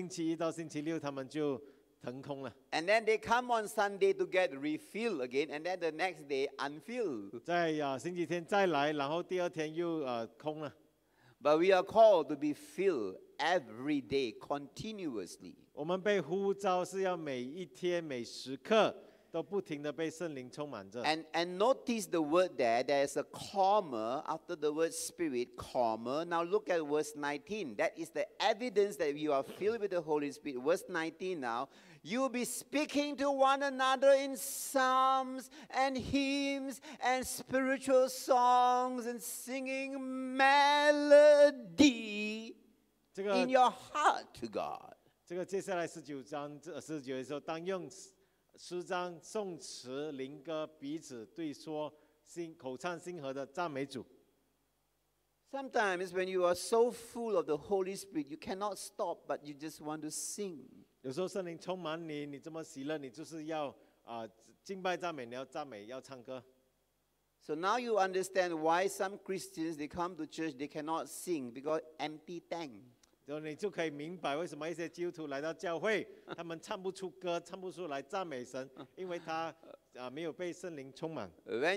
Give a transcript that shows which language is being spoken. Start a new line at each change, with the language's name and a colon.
Chinese: 但是很多基督徒星期天来这里被圣灵充满，但是星期一到星期六他们就腾空了。And
English: then they come on Sunday to get refilled again, and then the next day unfilled.
Chinese: 在星期天再来，然后第二天又空了。But
English: we are called to be filled every day continuously.
Chinese: 我们被呼召是要每一天每时刻都不停地被圣灵充满着。
English: And notice the word there, there is a comma after the word Spirit, comma. Now look at verse 19. That is the evidence that you are filled with the Holy Spirit. Verse 19 now, you'll be speaking to one another in psalms and hymns and spiritual songs and singing melody in your heart to God.
Chinese: 这个接下来19章19节说当用 诗章、颂词、灵歌，彼此对说，口唱心和的赞美主。
English: Sometimes when you are so full of the Holy Spirit, you cannot stop, but you just want to sing.
Chinese: 有时候圣灵充满你，你这么喜乐，你就是要敬拜赞美，你要赞美，要唱歌。
English: So now you understand why some Christians they come to church they cannot sing because empty tank.
Chinese: 你就可以明白为什么一些基督徒来到教会，他们唱不出歌，唱不出来赞美神，因为他没有被圣灵充满。When